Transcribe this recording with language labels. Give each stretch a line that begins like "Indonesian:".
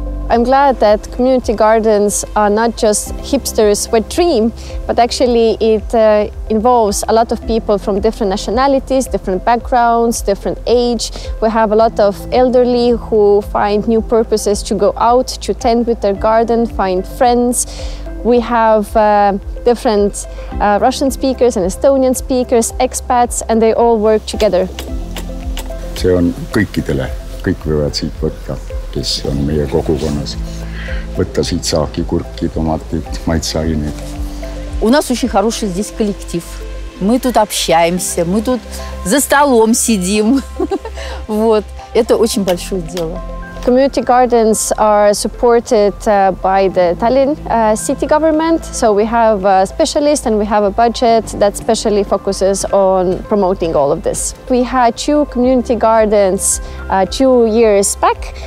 English: I'm glad that community gardens are not just hipsters' wet dream, but actually it involves a lot of people from different nationalities, different backgrounds, different age. We have a lot of elderly who find new purposes to go out, to tend with their garden, find friends. We have different Russian speakers and Estonian speakers, expats, and they all work together.
Estonian: See on kõikidele. Kõik võivad siit võtta, kes on meie kogukonnas. Võtta siit saaki, kurki, tomatid, maitsained.
Russian: У нас очень хороший здесь коллектив. Мы тут общаемся, мы тут за столом сидим. Вот. Это очень большое дело.
English: Community gardens are supported by the Tallinn city government. So we have a specialist and we have a budget that specially focuses on promoting all of this. We had two community gardens 2 years back.